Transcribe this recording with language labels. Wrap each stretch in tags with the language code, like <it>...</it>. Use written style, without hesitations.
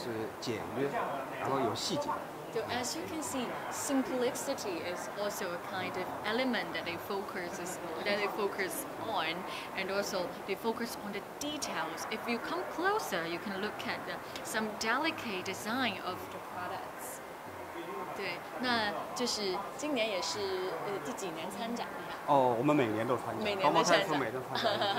<zh>现在这种比较流行的一种室内的设计风格，就是简约，然后有细节。</zh> <en>So as you can see, simplicity is also a kind of element that they focus on, and also they focus on the details. If you come closer, you can look at some delicate design of the products.</en> <zh>对，那就是今年也是第几年参展的？哦，我们每年都参加，包括上次每年参加，</zh>